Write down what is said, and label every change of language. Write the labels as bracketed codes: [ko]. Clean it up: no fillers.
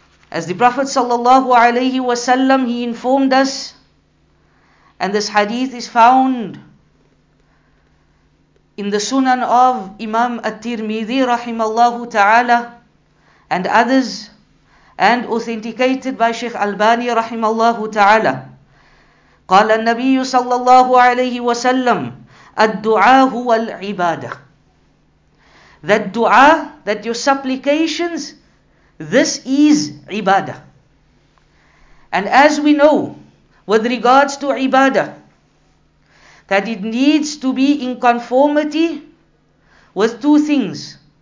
[en] As the Prophet sallallahu alayhi wa sallam, he informed us, and this hadith is found in the Sunan of Imam At-Tirmidhi rahimallahu ta'ala and others, and authenticated by Sheikh Albani rahimallahu ta'ala. [ar] قال النبي صلى الله عليه وسلم الدعاء هو العبادة. [en] That dua, that your supplications, this is ibadah. And as we know, with regards to ibadah, that it needs to be in conformity with two things.